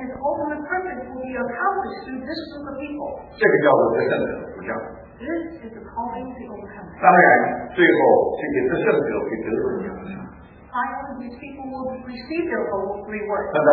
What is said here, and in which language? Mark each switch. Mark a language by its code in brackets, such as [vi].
[en] His ultimate purpose will be accomplished through this group of people. [zh] 这个叫做得胜者的呼召。 [en] This is the calling to overcome. [zh] 当然，最后这些得胜者会得荣耀。 [en] Finally, these people will receive their reward.